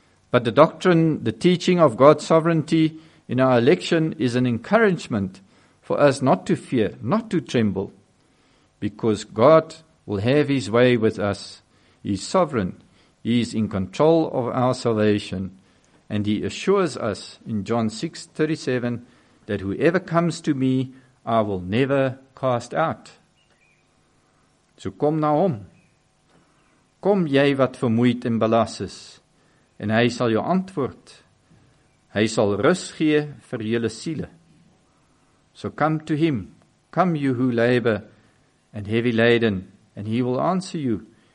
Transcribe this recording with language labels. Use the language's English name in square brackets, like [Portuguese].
[English] But the doctrine, the teaching of God's sovereignty in our election is an encouragement for us not to fear, not to tremble, because God will have his way with us. He is sovereign, he is in control of our salvation, and he assures us in John 6:37 that whoever comes to me, I will never cast out. [Afrikaans] So kom na hom. Kom jy wat vermoeid en belas is, en hy sal jou antwoord. Hy sal rus gee vir julle siele. [English] So come to him, come you who labor and heavy laden, and he will answer you.